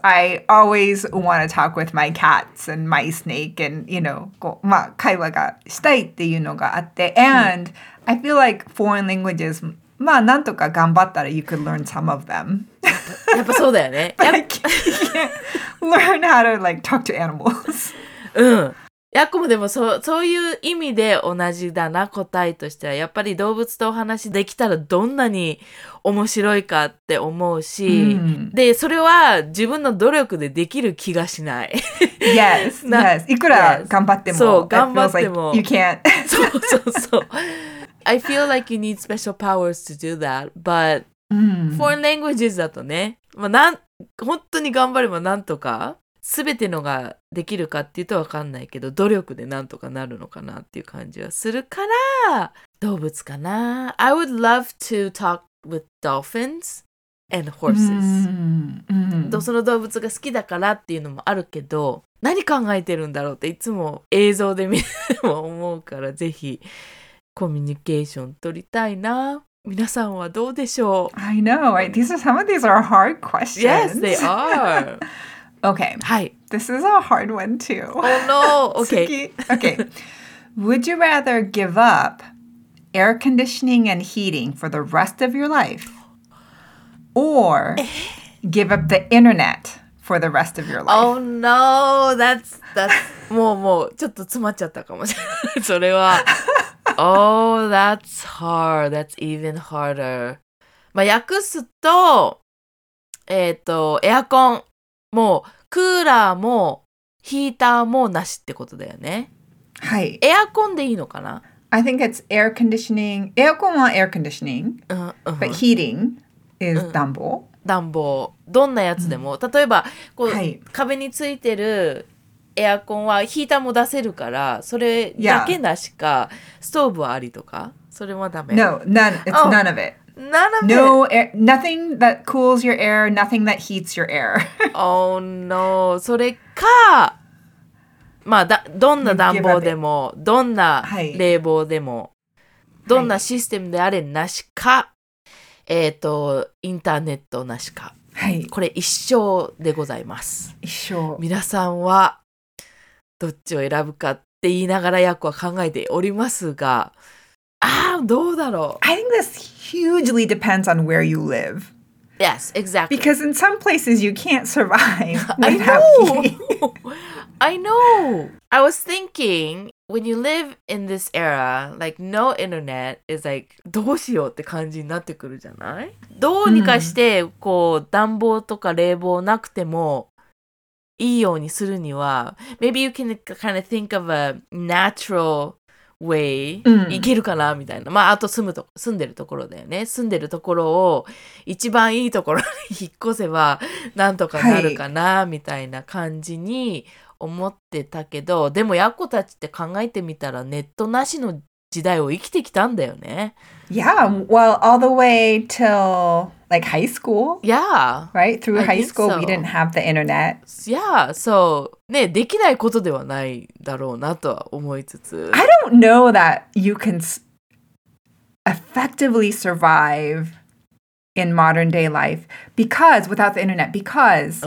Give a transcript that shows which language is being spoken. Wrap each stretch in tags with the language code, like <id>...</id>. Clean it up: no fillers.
<en>I always want to talk with my cats and my snake and, you know,</en> <ja>こう、まあ、会話がしたいっていうのがあって。</ja> <en>And I feel like foreign languages,</en> <ja>まあなんとか頑張ったら</ja> <en>you could learn some of them.</en> <ja>やっぱそうだよね。</ja> <en>But I can't learn how to like talk to animals.</en> <ja>うん、ヤコもでもそういう意味で同じだな、答えとしては。やっぱり動物とお話できたらどんなに面白いかって思うし、 mm. で、それは自分の努力でできる気がしない。</ja> <en>Yes, yes.</en> <ja>いくら頑張っても、そう、頑張っても。</ja> <en>It feels like you can't.</en> <ja>そうそうそう。</ja> <en>I feel like you need special powers to do that, but、 mm. foreign languages</en> <ja>だとね、まあ、本当に頑張ればなんとか。全てのができるかっていうと分かんないけど、努力でなんとかなるのかなっていう感じはするから、動物かな。</ja> <en>I would love to talk with dolphins and horses. Mm-hmm.</en> <ja>その動物が好きだからっていうのもあるけど、何考えてるんだろうっていつも映像で見ても思うから、ぜひコミュニケーション取りたいな。皆さんはどうでしょう?</ja> <en>I know. These are some of these are hard questions. Yes, they are. Okay. Hi. This is a hard one too. Oh no. Okay. Okay. Would you rather give up air conditioning and heating for the rest of your life or give up the internet for the rest of your life? Oh no. That's</en> <ja>もうちょっと詰まっちゃったかもしれない。それは。</ja> <en>Oh, that's hard. That's even harder.</en> <ja>まあ訳すと、エアコン。もうクーラーもヒーターもなしってことだよね。はい。エアコンでいいのかな?</ja> <en>I think it's air conditioning. エアコンは air conditioning. Uh-huh. But heating is 暖房。</en> <ja>暖房。どんなやつでも。例えばこう、はい、壁についてるエアコンはヒーターも出せるから、それだけなしか、yeah. ストーブはありとか、それはダメ。</ja> <en>No, none. It's、oh. none of it. None of no air, nothing that cools your air, nothing that heats your air.</en> <ja>oh no, それか、まあ、どんな暖房でも、どんな冷房でも、どんなシステムであれなしか、インターネットなしか、はい、これ一生でございます。一生。皆さんはどっちを選ぶかって言いながらヤコは考えておりますが、ああどうだろう。</ja> <en>I think this hugely depends on where you live. Yes, exactly. Because in some places you can't survive without heating. I know. I was thinking when you live in this era, like no internet is like</en> <ja>どうしようって感じになってくるじゃない？どうにかしてこう暖房とか冷房なくてもいいようにするには、</ja> <en>maybe you can kind of think of a natural. way、</en> <ja>うん、行けるかなみたいな、まあ、あと住んでるところだよね、住んでるところを一番いいところに引っ越せばなんとかなるかな、はい、みたいな感じに思ってたけど、でもヤコたちって考えてみたらネットなしの時代を生きてきたんだよね。</ja> <en>Yeah, well, all the way till like high school. Yeah. Right? Through high school, we didn't have the internet.</en> <ja>Yeah, so, ね、できないことではないだろうなとは思いつつ。</ja> <en>I don't know that you can effectively survive in modern day life because, without the internet, because</en>